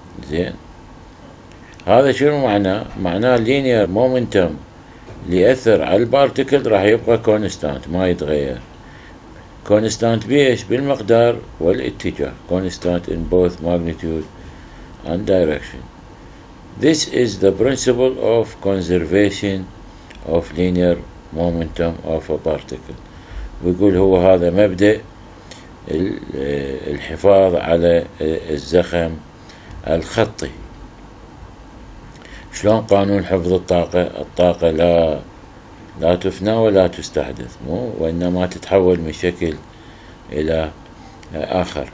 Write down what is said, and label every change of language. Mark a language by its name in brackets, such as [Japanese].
[Arabic] زين، هذا شنو معناه؟ معناه linear momentum ليأثر على البارتكل راح يبقى كونستانت، ما يتغير. كونستانت بيش؟ بالمقدار والاتجاه، كونستانت [English] in both magnitude and direction. This is the principle of conservation of linear momentum of a particle. [Arabic] ويقول هو هذا مبدأ الحفاظ على الزخم الخطي. شلون قانون حفظ الطاقة؟ الطاقة لا تفنى ولا تستحدث، مو وإنما تتحول من شكل إلى آخر.